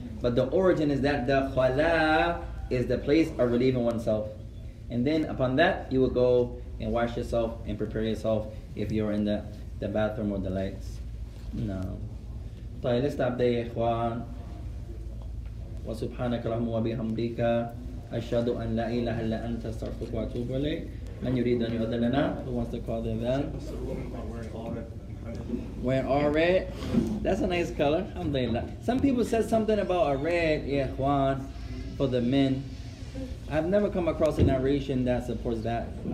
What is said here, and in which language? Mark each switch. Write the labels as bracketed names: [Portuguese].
[English] But the origin is that the khala is the place of relieving oneself. And then upon that, you will go and wash yourself and prepare yourself if you're in the bathroom or the lights. No. طيب, let's stop there, إخوان. [Arabic] وسبحانك اللهم وبحمدك أشهد أن لا إله إلا أنت أستغفرك وأتوب إليك. من يريد أن يؤذن لنا, [English] who wants to call the bell? Wearing all red. That's a nice color. Alhamdulillah. Some people said something about a red, إخوان. For the men, I've never come across a narration that supports that.